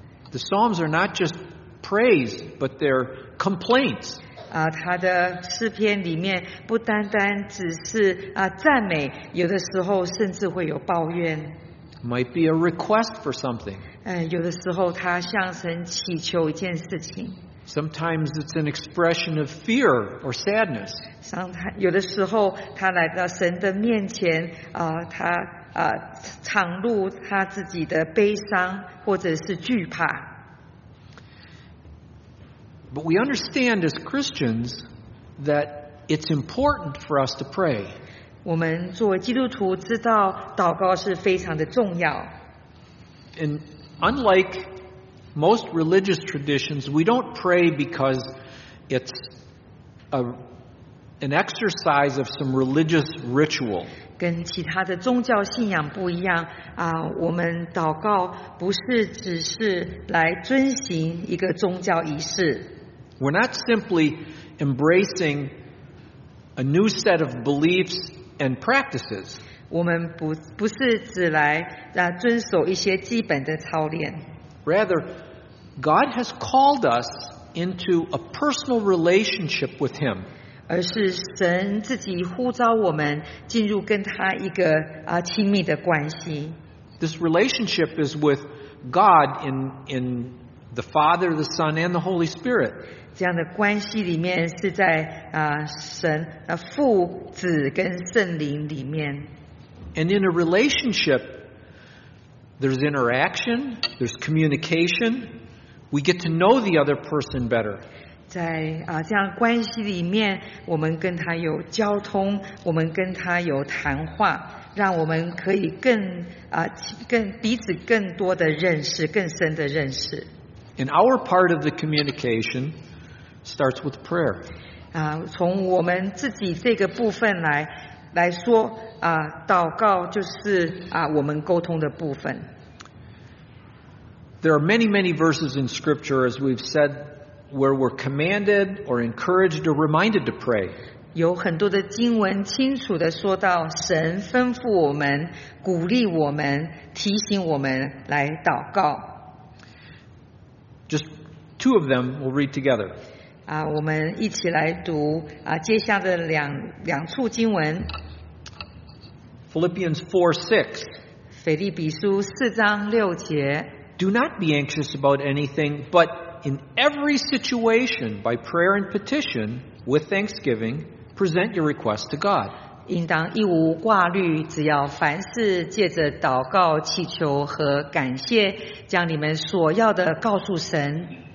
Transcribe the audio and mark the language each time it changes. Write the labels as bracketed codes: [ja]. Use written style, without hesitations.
[en] The psalms are not justpraise, but their complaints. [zh] 他的诗篇里面不单单只是赞美，有的时候甚至会有抱怨。 [en] Might be a request for something. [zh] 有的时候他向神祈求一件事情。 [en] Sometimes it's an expression of fear or sadness. [zh] 有的时候他来到神的面前，他敞露他自己的悲伤或者是惧怕。 [en] But we understand as Christians that it's important for us to pray. [zh] 我们作为基督徒知道祷告是非常的重要。 [en] And unlike most religious traditions, we don't pray because it's an exercise of some religious ritual. [zh] 跟其他的宗教信仰不一样啊，我们祷告不是只是来遵行一个宗教仪式。 [en] We're not simply embracing a new set of beliefs and practices. [zh] 我们不是只来遵守一些基本的操练。 [en] Rather, God has called us into a personal relationship with Him. [zh] 而是神自己呼召我们进入跟他一个亲密的关系。 [en] This relationship is with God in the Father, the Son, and the Holy Spirit. [zh] 这样的关系里面是在神父子跟圣灵里面。 [en] And in a relationship, there's interaction, there's communication. We get to know the other person better. [zh] 在这样关系里面，我们跟他有交通，我们跟他有谈话，让我们可以更彼此更多的认识，更深的认识。 [en] In our part of the communication. Starts with prayer. [zh] 从我们自己这个部分来说，祷告就是我们沟通的部分。 [en] There are many, many verses in Scripture, as we've said, where we're commanded or encouraged or reminded to pray. [zh] 有很多的经文清楚地说到神吩咐我们、鼓励我们、提醒我们来祷告。 [en] Just two of them we'll read together. [zh] 我们一起来读接下的两处经文。 [en] Philippians 4:6. [zh] 腓立比书四章六节。 [en] Do not be anxious about anything, but in every situation, by prayer and petition, with thanksgiving, present your request to God. [zh] 应当一无挂虑，只要凡事借着祷告、祈求和感谢，将你们所要的告诉神。